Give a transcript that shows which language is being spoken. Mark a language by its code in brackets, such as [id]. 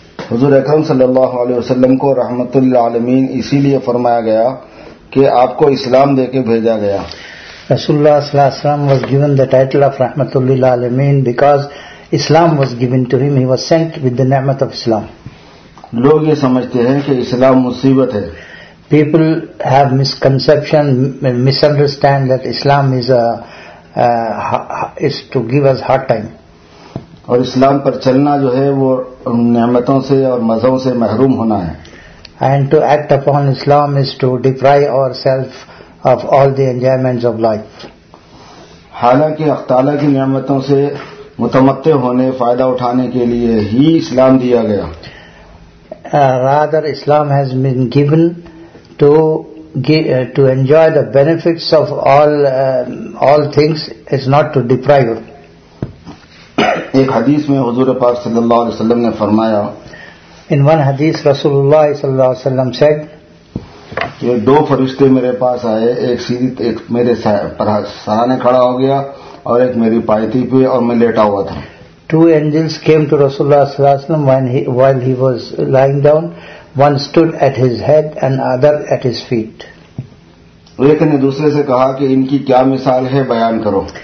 [ur] حضور اکرم صلی اللہ علیہ وسلم کو رحمت للعالمین اسی لیے فرمایا گیا کہ آپ کو اسلام دے کے بھیجا گیا. [en] رسول اللہ صلی اللہ علیہ وسلم was given the title of رحمت للعالمین because Islam was given to him. He was sent with the نعمت of اسلام. [ur] لوگ یہ سمجھتے ہیں کہ اسلام مصیبت ہے. [en] People have misconception, misunderstand that Islam is to give us hard time. [ur] اور اسلام پر چلنا جو ہے وہ نعمتوں سے اور مزوں سے محروم ہونا ہے. [en] And to act upon Islam is to deprive ourselves of all the enjoyments of life. [ur] حالانکہ اللہ تعالیٰ کی نعمتوں سے متمتع ہونے، فائدہ اٹھانے کے لیے ہی اسلام دیا گیا. [en] Rather, Islam has been given to enjoy the benefits of all things, is not to deprive. [ur] ایک حدیث میں حضور پاک صلی اللہ علیہ وسلم نے فرمایا، [en] In one حدیث رسول اللہ صلی اللہ علیہ وسلم said [ur] کہ دو فرشتے میرے پاس آئے، ایک سیدھی، ایک میرے سرانے کھڑا ہو گیا اور ایک میری پائتی پہ اور میں لیٹا ہوا تھا. [en] Two angels came to Rasulullah صلی اللہ علیہ وسلم while he was lying down. One stood at his head and other at his feet. [ur] ایک نے دوسرے سے کہا کہ ان کی کیا مثال ہے، بیان کرو.